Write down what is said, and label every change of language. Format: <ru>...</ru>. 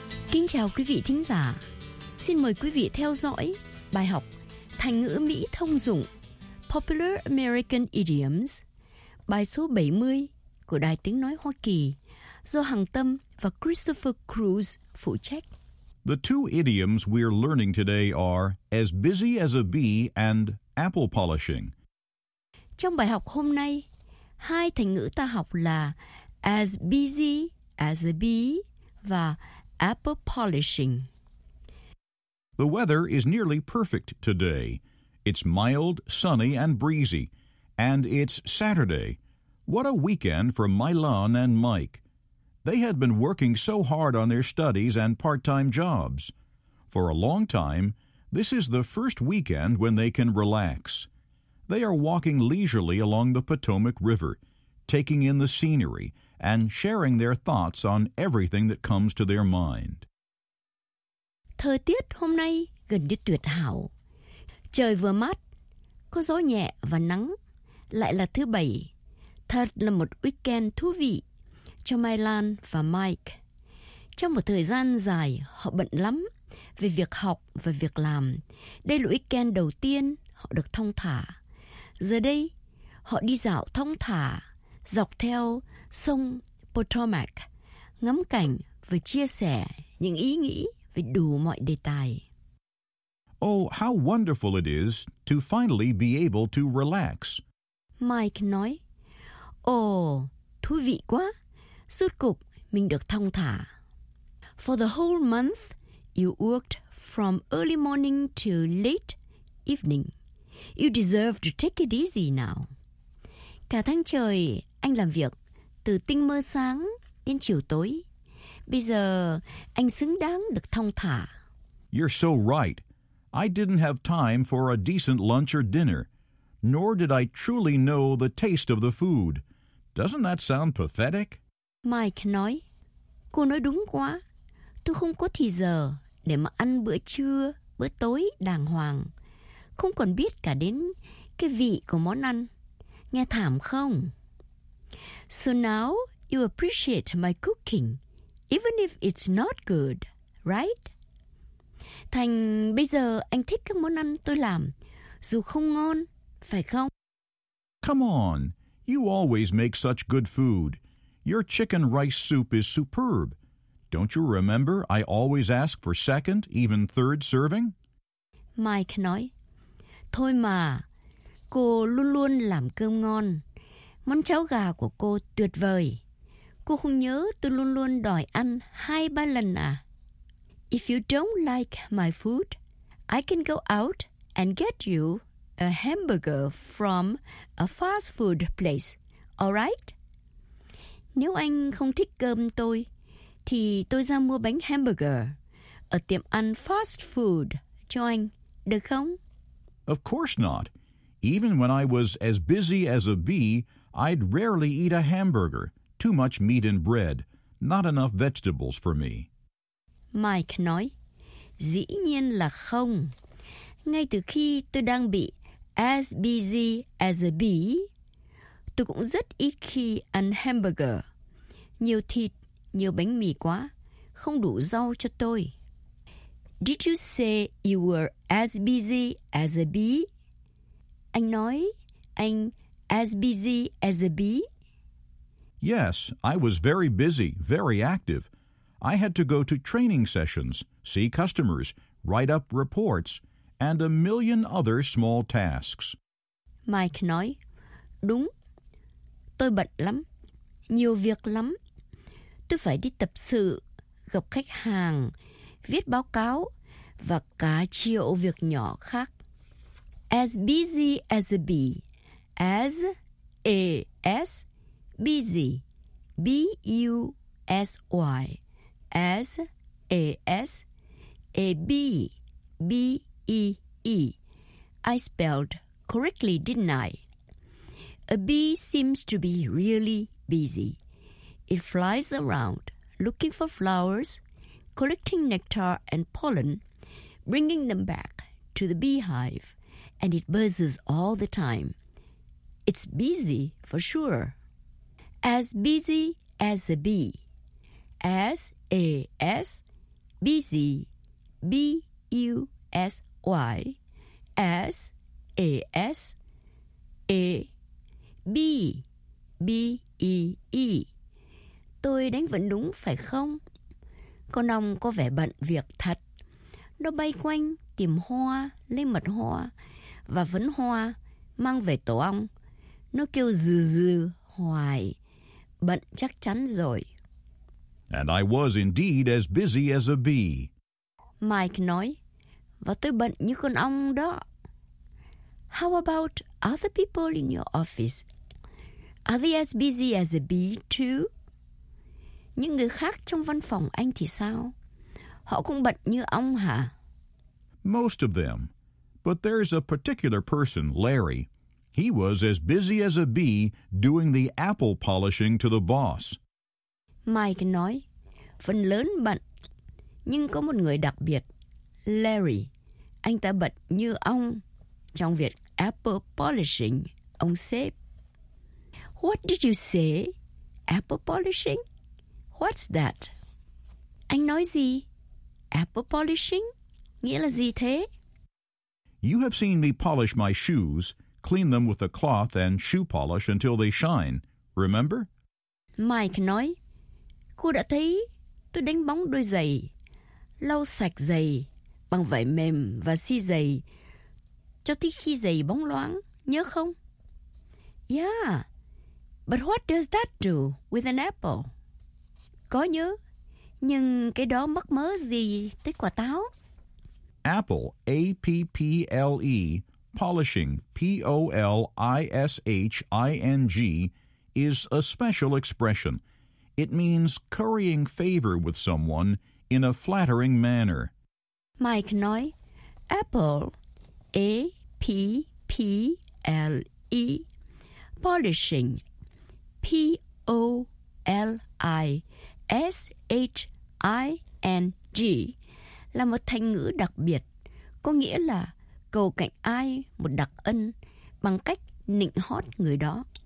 <vi>Kính chào quý vị thính giả. Xin mời quý vị theo dõi bài học thành ngữ Mỹ thông dụng Popular American Idioms, bài số 70 của Đài Tiếng Nói Hoa Kỳ, do Hằng Tâm và Christopher Cruz phụ trách.</vi> <en>The two idioms we're learning today are as busy as a bee and apple polishing.</en> <vi>Trong bài học hôm nay, hai thành ngữ ta học là</vi> <en>as busy as a bee</en> <vi>và apple polishing.</vi> <en>The weather is nearly perfect today. It's mild, sunny, and breezy. And it's Saturday. What a weekend for Mylon and Mike. They had been working so hard on their studies and part-time jobs. For a long time, this is the first weekend when they can relax. They are walking leisurely along the Potomac River, taking in the scenery and sharing their thoughts on everything that comes to their mind.</en> <vi>Thời tiết hôm nay gần như tuyệt hảo. Trời vừa mát, có gió nhẹ và nắng. Lại là thứ bảy, thật là một weekend thú vị cho Mylan và Mike. Trong một thời gian dài, họ bận lắm về việc học và việc làm. Đây là weekend đầu tiên họ được thong thả. Giờ đây, họ đi dạo thong thả dọc theo sông Potomac, ngắm cảnh và chia sẻ những ý nghĩ về đủ mọi đề tài.</vi> <en>Oh, how wonderful it is to finally be able to relax.</en> <vi>Mike nói, thú vị quá, rốt cục mình được thong thả.</vi> <en>For the whole month, you worked from early morning to late evening. You deserve to take it easy now.</en> <vi>Cả tháng trời, anh làm việc, từ tinh mơ sáng đến chiều tối. Bây giờ, anh xứng đáng được thong thả.</vi> <en>You're so right. I didn't have time for a decent lunch or dinner, nor did I truly know the taste of the food. Doesn't that sound pathetic?</en> <vi>Mike nói, cô nói đúng quá. Tôi không có thì giờ để mà ăn bữa trưa, bữa tối đàng hoàng. Không còn biết cả đến cái vị của món ăn. Nghe thảm không?</vi> <en>So now you appreciate my cooking, even if it's not good, right?</en> <vi>Thành, bây giờ anh thích các món ăn tôi làm, dù không ngon, phải không?</vi> <en>Come on, you always make such good food. Your chicken rice soup is superb. Don't you remember I always ask for second, even third serving?</en> <vi>Mike nói, thôi mà, cô luôn luôn làm cơm ngon. Món cháo gà của cô tuyệt vời. Cô không nhớ tôi luôn luôn đòi ăn hai ba lần à?</vi> <en>If you don't like my food, I can go out and get you a hamburger from a fast food place, all right?</en> <vi>Nếu anh không thích cơm tôi, thì tôi ra mua bánh hamburger ở tiệm ăn fast food cho anh, được không?</vi> <en>Of course not. Even when I was as busy as a bee, I'd rarely eat a hamburger. Too much meat and bread. Not enough vegetables for me.</en> <vi>Mike nói, dĩ nhiên là không. Ngay từ khi tôi đang bị</vi> <en>as busy as a bee,</en> <vi>tôi cũng rất ít khi ăn hamburger. Nhiều thịt, nhiều bánh mì quá, không đủ rau cho tôi.</vi> <en>Did you say you were as busy as a bee?</en> <vi>Anh nói, anh</vi> <en>as busy as a bee? Yes, I was very busy, very active. I had to go to training sessions, see customers, write up reports, and a million other small tasks.</en> <vi>Mike nói, đúng, tôi bận lắm, nhiều việc lắm. Tôi phải đi tập sự, gặp khách hàng, viết báo cáo, và cả triệu việc nhỏ khác.</vi> <en>As busy as a bee, as a s busy, b u s y, as a s a b b e e. I spelled correctly, didn't I? A bee seems to be really busy. It flies around looking for flowers, collecting nectar and pollen, bringing them back to the beehive. And it buzzes all the time. It's busy for sure. As busy as a bee. As a s busy, b u s y, as a s a b b e e.</en> <vi>Tôi đánh vần đúng phải không? Con ong có vẻ bận việc thật. Nó bay quanh tìm hoa, lấy mật hoa. Và vấn hoa, mang về tổ ong. Nó kêu dư dư, hoài. Bận chắc chắn rồi.</vi> <en>And I was indeed as busy as a bee.</en> <vi>Mike nói, và tôi bận như con ong đó.</vi> <en>How about other people in your office? Are they as busy as a bee too?</en> <vi>Những người khác trong văn phòng anh thì sao? Họ cũng bận như ong hả?</vi> <en>Most of them. But there's a particular person, Larry. He was as busy as a bee doing the apple polishing to the boss.</en> <vi>Mike nói, phần lớn bận. Nhưng có một người đặc biệt, Larry. Anh ta bận như ong trong việc apple polishing, ông sếp.</vi> <en>What did you say? Apple polishing? What's that?</en> <vi>Anh nói gì? Apple polishing? Nghĩa là gì thế?</vi> <en>You have seen me polish my shoes, clean them with a cloth and shoe polish until they shine, remember?</en> <vi>Mike nói, cô đã thấy tôi đánh bóng đôi giày, lau sạch giày bằng vải mềm và xi giày, cho tới khi giày bóng loáng, nhớ không?</vi> <en>Yeah, but what does that do with an apple?</en> <vi>Có nhớ, nhưng cái đó mắc mớ gì tới quả táo?</vi> <en>Apple, APPLE, polishing, POLISHING, is a special expression. It means currying favor with someone in a flattering manner.</en> <vi>Mike nói, Apple, APPLE, polishing, POLISHING, là một thành ngữ đặc biệt, có nghĩa là cầu cạnh ai một đặc ân bằng cách nịnh hót người đó.</vi>